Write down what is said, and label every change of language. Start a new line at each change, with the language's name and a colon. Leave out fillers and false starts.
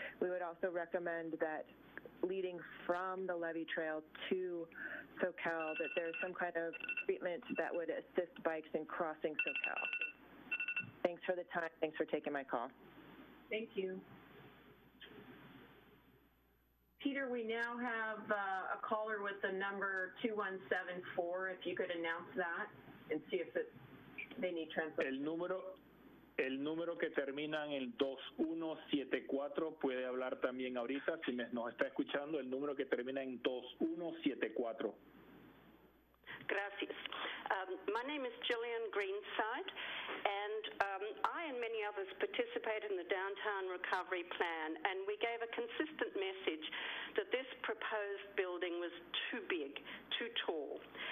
English: We would also recommend that leading from the levee trail to Soquel, that there's some kind of treatment that would assist bikes in crossing Soquel. Thanks for the time. Thanks for taking my call. Thank you. Peter, we now have a caller with the number 2174, if you could announce that and see if they need translation.
Spanish: El número que termina en el 2174 puede hablar también ahorita, si nos está escuchando, el número que termina en 2174. Gracias.
English: My name is Gillian Greenside, and I and many others participated in the Downtown Recovery Plan, and we gave a consistent message that this proposed building was too big, too tall.